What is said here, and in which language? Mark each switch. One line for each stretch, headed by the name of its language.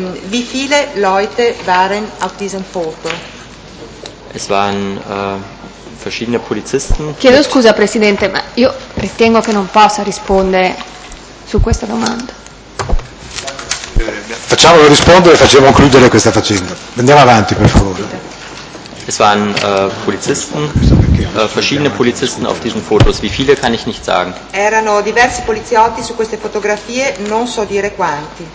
German: Wie viele Leute waren auf diesem Foto? Es waren verschiedene Polizisten.
Italian: Chiedo scusa, Presidente, ma io ritengo che non possa rispondere su questa domanda. Facciamolo rispondere e facciamo concludere questa faccenda. Andiamo avanti, per favore.
German: Es waren Polizisten, verschiedene Polizisten auf diesen Fotos. Wie viele kann ich nicht sagen.
Italian: Erano diversi poliziotti su queste fotografie, non so dire quanti.